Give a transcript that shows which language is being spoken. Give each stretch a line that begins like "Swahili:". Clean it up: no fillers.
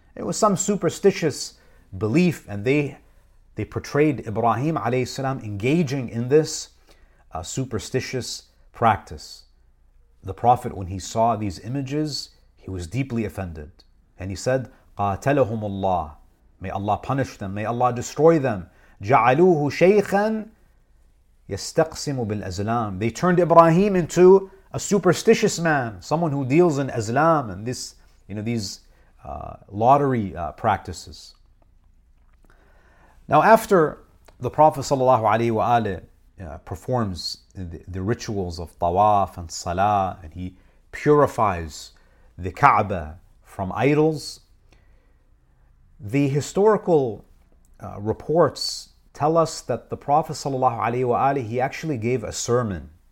English: It was some superstitious belief, and they portrayed Ibrahim alayhi salam engaging in this superstitious practice. The Prophet, when he saw these images, he was deeply offended. And he said,
Arabic: قاتلهم الله.
English: May Allah punish them. May Allah destroy them.
Arabic: جعلوه شيخا يستقسم بالأزلام.
English: They turned Ibrahim into a superstitious man, someone who deals in Azlam and this, you know, these lottery practices. Now, after the Prophet sallallahu alaihi wasallam performs the rituals of tawaf and salah, and he purifies the Kaaba from idols, the historical reports tell us that the Prophet sallallahu alaihi wasallam he actually gave a sermon.